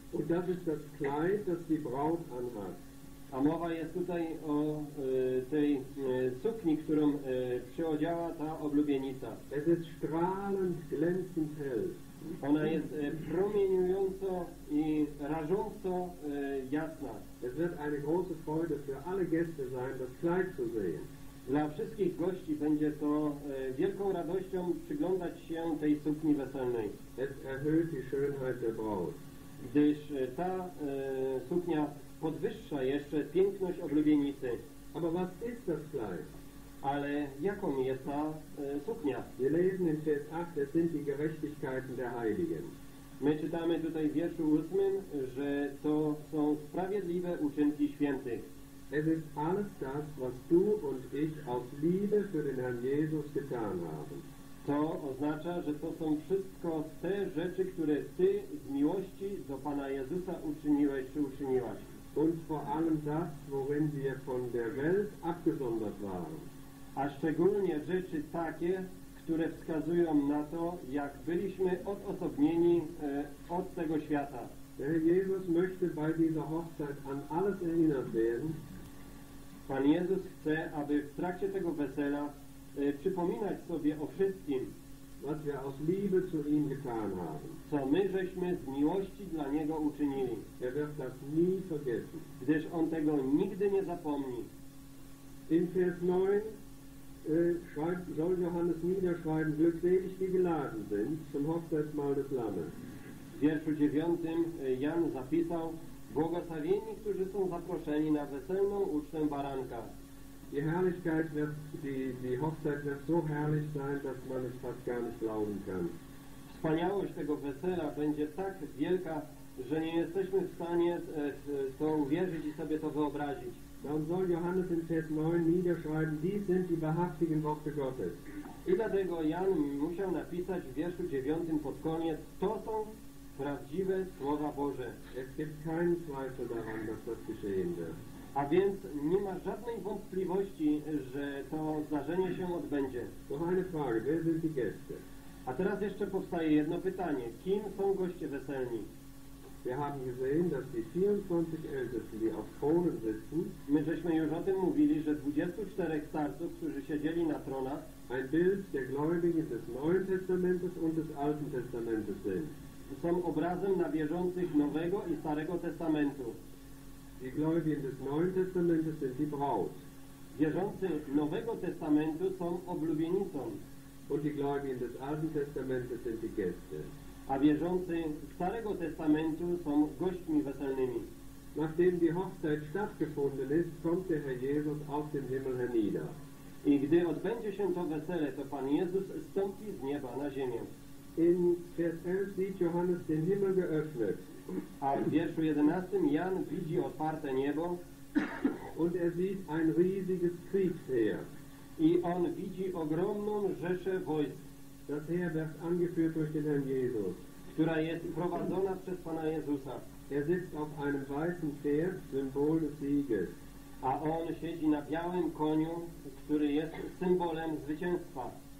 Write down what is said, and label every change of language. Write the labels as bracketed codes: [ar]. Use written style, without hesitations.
[de] Und das ist das Kleid, das die Braut anhat. [pl] A mowa jest tutaj o tej sukni, którą przyodziała ta oblubienica. [de] Es ist strahlend glänzend hell. [pl] Ona jest promieniująco i rażąco jasna. [de] Es wird eine große Freude für alle Gäste sein, das Kleid zu sehen. [pl] Dla wszystkich gości będzie to wielką radością przyglądać się tej sukni weselnej. [de] Es erhöht die Schönheit der Braut. [pl] Gdyż ta suknia podwyższa jeszcze piękność oblubienicy. [de] Aber was ist das Kleid? [pl] Ale jaką jest ta suknia? [de] Wir lesen in Vers 8, es sind die Gerechtigkeiten der Heiligen. [pl] My czytamy tutaj w wierszu 8, że to są sprawiedliwe uczynki świętych. [de] Es ist alles das, was du und ich aus Liebe für den Herrn Jesus getan haben. [pl] To oznacza, że to są wszystko te rzeczy, które ty z miłości do Pana Jezusa uczyniłeś czy uczyniłaś. [de] Und vor allem das, worin wir von der Welt abgesondert waren. [pl] A szczególnie rzeczy takie, które wskazują na to, jak byliśmy odosobnieni od tego świata. [de] Der Jesus möchte bei dieser Hochzeit an alles erinnert werden. [pl] Pan Jezus chce, aby w trakcie tego wesela przypominać sobie o wszystkim. [de] was wir aus Liebe zu ihm getan haben. [pl] Co my żeśmy z miłości dla niego uczynili. [de] Er wird das nie vergessen. [pl] Gdyż on tego nigdy nie zapomni. [de] In Vers 9 soll Johannes niederschreiben, glückselig die geladen sind zum Hochzeitsmahl des Lammes. [pl] W wierszu 9 Jan zapisał: błogosławieni, którzy są zaproszeni na weselną ucztę baranka. [de] Die Herrlichkeit wird, die Hochzeit wird so herrlich sein, dass man es fast gar nicht glauben kann. [pl] Wspaniałość tego wesela będzie tak wielka, że nie jesteśmy w stanie to uwierzyć i sobie to wyobrazić. [de] Dann soll Johannes in Vers 9 niederschreiben, die sind die wahrhaftigen Worte Gottes. [pl] I dlatego Jan musiał napisać w wierszu 9 pod koniec, to są prawdziwe słowa Boże. [de] Es gibt keinen Zweifel daran, dass das geschehen wird. [pl] A więc nie ma żadnej wątpliwości, że to zdarzenie się odbędzie. [de] Kochane Frage, wer sind die Gäste? [pl] A teraz jeszcze powstaje jedno pytanie. Kim są goście weselni? [de] Wir haben gesehen, dass die 24 Ältesten, die auf Thronen sitzen, [pl] my żeśmy już o tym mówili, że 24 starców, którzy siedzieli na tronach, [de] ein Bild der Gläubigen des Neuen Testamentes und des Alten Testamentes sind. [pl] Są obrazem nawierzących Nowego i Starego Testamentu. [de] Die Gläubigen des Neuen Testamentes sind die Braut. [pl] Wierzący Nowego Testamentu są oblubienicą. [de] Und die Gläubigen des Alten Testamentes sind die Gäste. [pl] A wierzący Starego Testamentu są gośćmi weselnymi. [de] Nachdem die Hochzeit stattgefunden ist, kommt der Herr Jesus aus dem Himmel hernieder. [pl] I gdy odbędzie się to wesele, to Pan Jezus stąpi z nieba na ziemię. [de] In Vers 11 sieht Johannes den Himmel geöffnet. [pl] A w wierszu 11 Jan widzi otwarte niebo. [de] Und er sieht ein riesiges Kriegsheer. [pl] I on widzi ogromną rzeszę wojsk. [de] Das Heer wird angeführt durch den Herrn Jesus. [pl] Która jest prowadzona przez Pana Jezusa. [de] Er sitzt auf einem weißen Pferd, Symbol des Sieges. [pl] A on siedzi na białym koniu, który jest symbolem zwycięstwa.